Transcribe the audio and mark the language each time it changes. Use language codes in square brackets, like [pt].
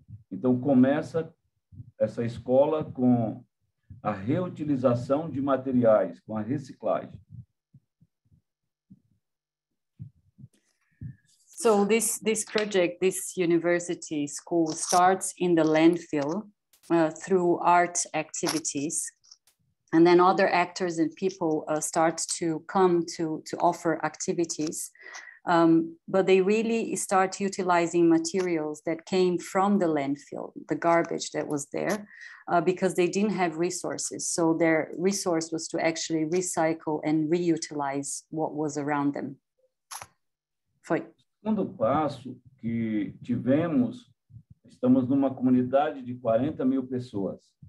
[pt] Então começa essa escola com a reutilização de materiais, com a reciclagem. [en] So this project, this university school, starts in the landfill through art activities. And then other actors and people start to come to offer activities. But they really start utilizing materials that came from the landfill, the garbage that was there, because they didn't have resources. So their resource was to actually recycle and reutilize what was around them. [pt] Foi. Segundo passo que tivemos, estamos numa comunidade de 40 mil pessoas.